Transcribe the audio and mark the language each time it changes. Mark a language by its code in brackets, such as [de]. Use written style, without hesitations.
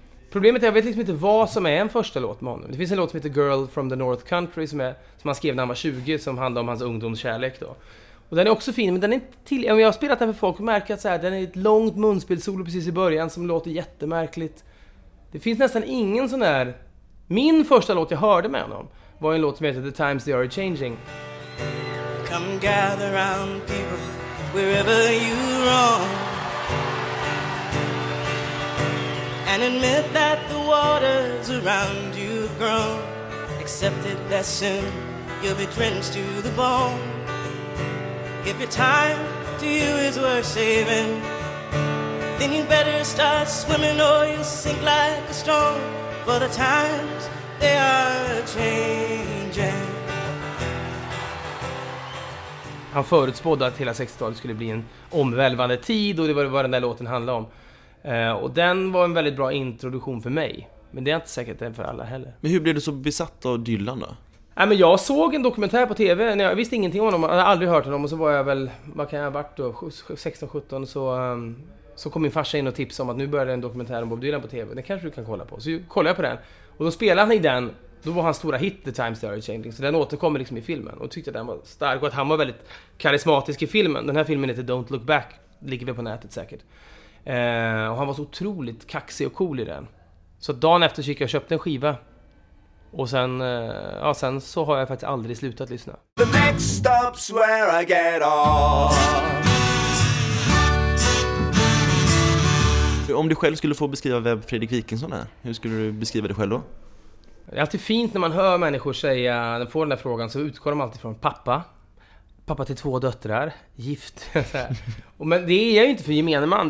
[sv] Problemet är, jag vet liksom inte vad som är en första låt med honom. Det finns en låt som heter Girl from the North Country som han skrev när han var 20, som handlar om hans ungdomskärlek då. Och den är också fin, men den är inte till... Om jag har spelat den för folk och märker att så här, den är ett långt munspelsolo precis i början som låter jättemärkligt. Det finns nästan ingen sån där... Min första låt jag hörde med honom var en låt som heter The Times They Are Changing. [en] Come gather round people wherever you roam, and admit that the waters around you have grown. Accept it that soon you'll be drenched to the bone. If your time to you is worth saving, then you better start swimming or you'll sink like a stone. For the times, they are changing. [sv] Han förutspådde att hela 60-talet skulle bli en omvälvande tid, och det var vad den där låten handlade om. Och den var en väldigt bra introduktion för mig. Men det är inte säkert det är för alla heller. Men hur blev du så besatt av Dylan då? Nej, men jag såg en dokumentär på TV. Jag visste ingenting om honom. Jag hade aldrig hört honom. Och så var jag väl, vad kan jag ha varit då? 16-17. Så kom min farsa in och tipsade om att nu började en dokumentär om Bob Dylan på TV. Den kanske du kan kolla på. Så kollade jag på den. Och då spelade han i den. Då var hans stora hit The Times They Are Changing. Så den återkommer liksom i filmen. Och tyckte att den var stark. Och att han var väldigt karismatisk i filmen. Den här filmen heter Don't Look Back. Ligger vi på nätet säkert. Och han var så otroligt kaxig och cool i den. Så dagen efter så gick jag och köpte en skiva. Och sen, ja, sen så har jag faktiskt aldrig slutat lyssna. [en] The next stop's where I get off. [sv] Om du själv skulle få beskriva vem Fredrik Wikingsson är, hur skulle du beskriva dig själv då? Det är alltid fint när man hör människor säga, när får den där frågan, så utgår de alltid från pappa. Pappa till två döttrar, gift. Men det är jag ju inte för gemene man.